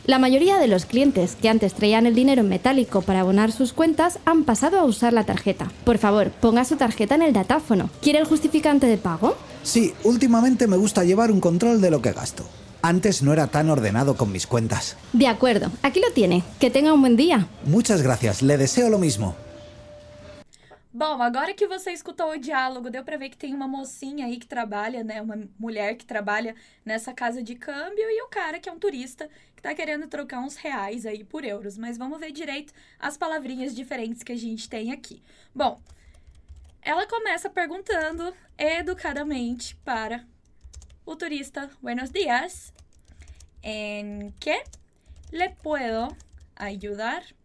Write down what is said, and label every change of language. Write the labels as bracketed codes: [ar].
[es] La mayoría de los clientes que antes traían el dinero en metálico para abonar sus cuentas han pasado a usar la tarjeta. Por favor, ponga su tarjeta en el datáfono. ¿Quiere el justificante de pago? Sí, últimamente me gusta llevar un control de lo que gasto. Antes no era tan ordenado con mis cuentas. De acuerdo, aquí lo tiene. Que tenga un buen día. Muchas gracias, le deseo lo mismo. [pt] Bom, agora que você escutou o diálogo, deu para ver que tem uma mocinha aí que trabalha, né? Uma mulher que trabalha nessa casa de câmbio e o cara que é um turista que tá querendo trocar uns reais aí por euros. Mas vamos ver direito as palavrinhas diferentes que a gente tem aqui. Bom, ela começa perguntando educadamente para o turista, [es] buenos días, ¿en qué le puedo ayudar?